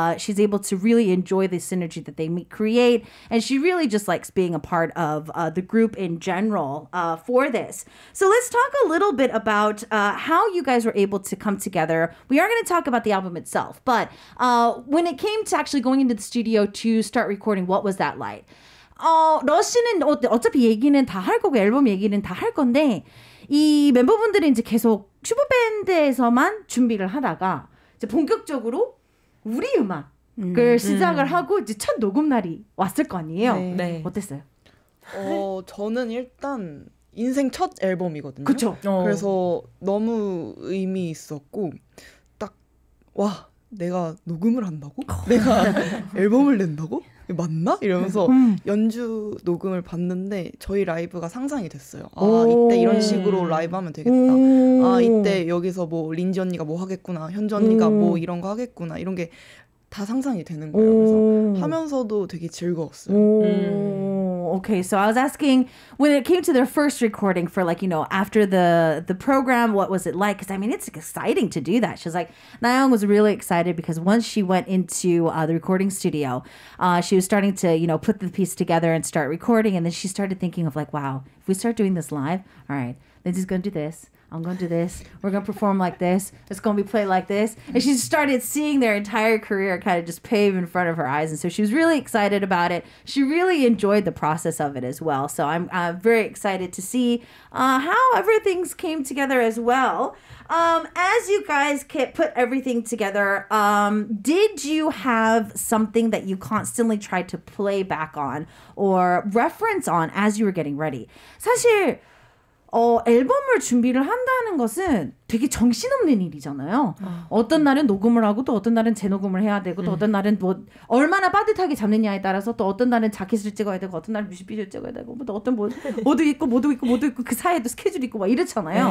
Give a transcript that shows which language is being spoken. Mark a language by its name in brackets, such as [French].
[English] She's able to really enjoy the synergy that they create. And she really just likes being a part of the group in general for this. So let's talk a little bit about how you guys were able to come together. We are going to talk about the album itself. But when it came to actually going into the studio to start recording, what was that like? [Korean] 러쉬는 어차피 얘기는 다 할 거고 앨범 얘기는 다 할 건데 이 멤버분들이 이제 계속 슈퍼밴드에서만 준비를 하다가 이제 본격적으로 우리 음악을 시작을 하고 이제 첫 녹음 날이 왔을 거 아니에요. 네. 네. 어땠어요? 저는 일단 인생 첫 앨범이거든요. 그렇죠. 그래서 너무 의미 있었고 딱 와 내가 녹음을 한다고? 내가 앨범을 낸다고? 맞나? 이러면서 연주 녹음을 봤는데 저희 라이브가 상상이 됐어요. 아 이때 이런 식으로 라이브 하면 되겠다. 아 이때 여기서 뭐 린지 언니가 뭐 하겠구나 현주 언니가 뭐 이런 거 하겠구나 이런 게 다 상상이 되는 거예요. 그래서 하면서도 되게 즐거웠어요. [English] Okay, so I was asking when it came to their first recording for like, you know, after the program, what was it like? Because I mean, it's exciting to do that. She's like, Nayeon was really excited because once she went into the recording studio, she was starting to, you know, put the piece together and start recording. And then she started thinking of like, wow, if we start doing this live, all right, Lindsay's going to do this. I'm going to do this. We're going to perform like this. It's going to be played like this. And she started seeing their entire career kind of just pave in front of her eyes. And so she was really excited about it. She really enjoyed the process of it as well. So I'm very excited to see how everything came together as well. As you guys put everything together, did you have something that you constantly tried to play back on or reference on as you were getting ready? [Korean] 사실... 앨범을 준비를 한다는 것은 되게 정신없는 일이잖아요. 어떤 날은 녹음을 하고 또 어떤 날은 재녹음을 해야 되고 또 어떤 날은 뭐 얼마나 빠듯하게 잡느냐에 따라서 또 어떤 날은 자켓을 찍어야 되고 어떤 날은 뮤직비디오 찍어야 되고 또 어떤 뭐 모두 있고 그 사이에도 스케줄 있고 막 이렇잖아요.